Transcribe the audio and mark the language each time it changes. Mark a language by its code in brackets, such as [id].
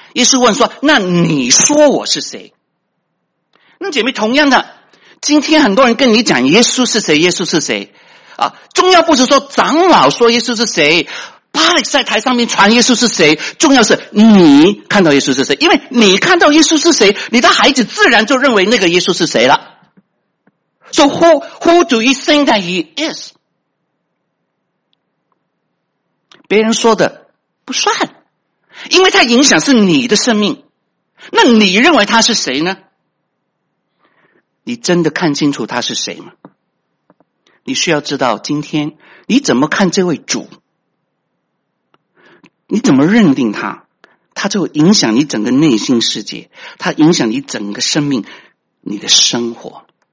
[zh] 耶稣问说：“那你说我是谁？” 那姐妹，同样的，今天很多人跟你讲耶稣是谁，耶稣是谁。重要不是说长老说耶稣是谁，巴力在台上面传耶稣是谁，重要是你看到耶稣是谁，因为你看到耶稣是谁，你的孩子自然就认为那个耶稣是谁了。 [en] So who do you think that he is? [zh] 别人说的不算，因为他影响是你的生命，那你认为他是谁呢？你真的看清楚他是谁吗？你需要知道今天你怎么看这位主，你怎么认定他，他就影响你整个内心世界，他影响你整个生命，你的生活。